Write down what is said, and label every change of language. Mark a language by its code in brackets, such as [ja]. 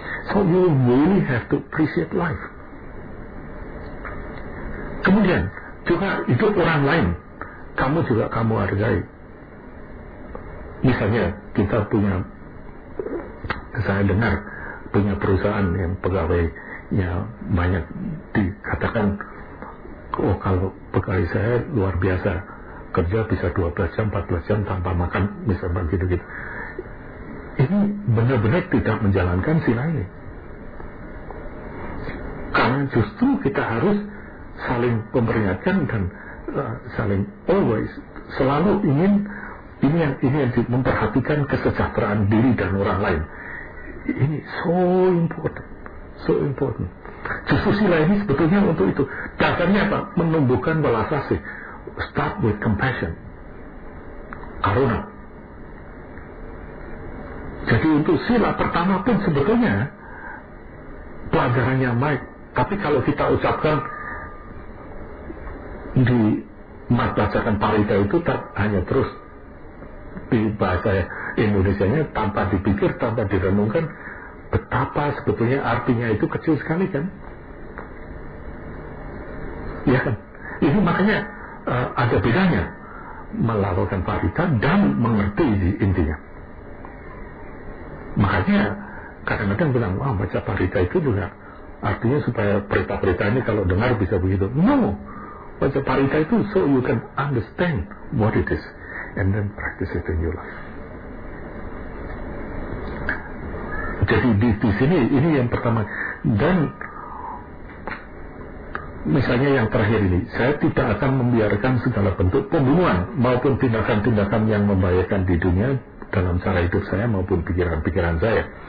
[en] So you really have to appreciate life. [id] Kemudian juga hidup orang lain, kamu juga kamu hargai. Misalnya kita punya, saya dengar punya perusahaan yang pegawainya banyak dikatakan, oh kalau pegawai saya luar biasa. Kerja bisa 12 jam, 14 jam tanpa makan, misalnya begitu-gitu. Ini benar-benar tidak menjalankan sila ini. Karena justru kita harus saling memperingatkan dan saling always, selalu ingin ini yang memperhatikan kesejahteraan diri dan orang lain. Ini [en] so important, so important. [id] Justru sila ini sebetulnya untuk itu. Dasarnya apa? Menumbuhkan belas kasih. [en] Start with compassion, karuna. [id] Jadi untuk sila pertama pun sebetulnya pelajarannya baik, tapi kalau kita ucapkan di mat belajarkan parita itu tak hanya terus di bahasa Indonesia nya tanpa dipikir, tanpa direnungkan, betapa sebetulnya artinya itu kecil sekali kan? Ya kan? Ini makanya ada bedanya melakukan parita dan mengerti di intinya. Makanya kadang-kadang bilang, wah baca parita itu juga artinya supaya berita-berita ini kalau dengar bisa begitu. [en] No, [id] baca parita itu [en] so you can understand what it is and then practice it in your life. [id] Jadi di sini ini yang pertama. Dan misalnya yang terakhir ini, saya tidak akan membiarkan segala bentuk pembunuhan maupun tindakan-tindakan yang membahayakan di dunia dalam cara hidup saya maupun pikiran-pikiran saya.